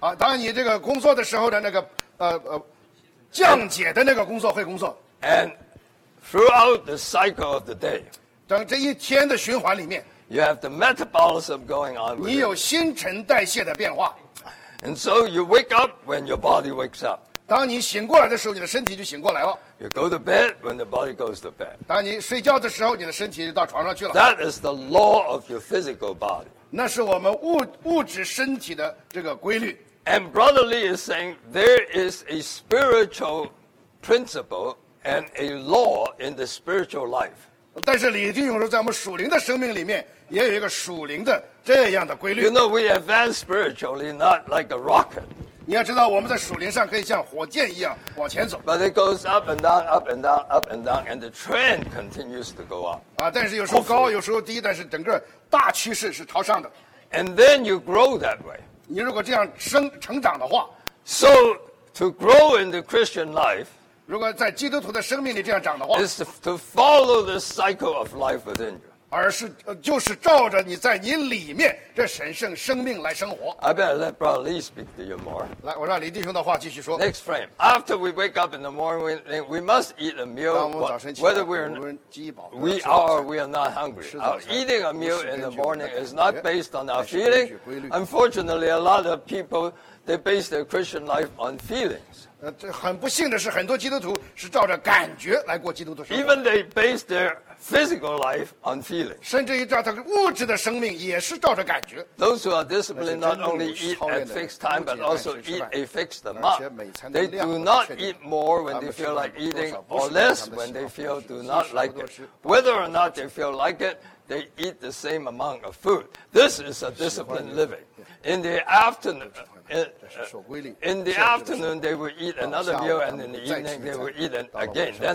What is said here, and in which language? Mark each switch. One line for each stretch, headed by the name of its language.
Chinese: 当你这个工作的时候的那个降解的那个工作会工作。
English: And throughout the cycle of the day,
Chinese: 等这一天的循环里面
English: ，you have the metabolism going on.
Chinese: 你有新陈代谢的变化。
English: And so you wake up when your body wakes up.
Chinese: 当你醒过来的时候，你的身体就醒过来了。
English: You go to bed when the body goes to bed.
Chinese: 当你睡觉的时候，你的身体就到床上去了。
English: That is the law of your physical body.
Chinese: 那是我们物质身体的这个规律。
English: And Brother Lee is saying there is a spiritual principle and a law in the spiritual life.
Chinese: 但是李弟兄说，在我们属灵的生命里面，也有一个属灵的这样的规律。
English: You know, we advance spiritually not like a rocket.
Chinese: 你要知道，我们在属灵上可以像火箭一样往前走。
English: But it goes up and down, up and down, up and down, and the trend continues to go up.
Chinese: 但是有时候高，有时候低，但是整个。大趋势是朝上的。
English: And then you grow that way.
Chinese: 你如果这样成长的话。
English: So, to grow in the Christian life,
Chinese: 如果在基督徒的生命里这样长的话。
English: Is to follow the cycle of life within you.
Chinese: 而是就是照着你在你里面这神圣生命来生活。
English: I better let Brother Lee speak to you more.
Chinese: 来我让李弟兄的话继续说。
English: Next frame. After we wake up in the morning, we must eat a meal, whether we are not hungry. Eating a meal in the morning is not based on our feeling. Unfortunately, a lot of people, they base their Christian life on feelings.
Chinese: 这很不幸的是，很多基督徒是照着感觉来过基督徒生活。
English: Even they base their physical life on feeling.
Chinese: 甚至于照他物质的生命也是照着感觉。
English: Those who are disciplined not only eat at fixed time, but also eat a fixed amount. They do not eat more when they feel like eating, or less when they feel do not like it. Whether or not they feel like it, they eat the same amount of food. This is a disciplined living. In the afternoon. In the afternoon, they will eat another meal, and in the evening, they will eat it again.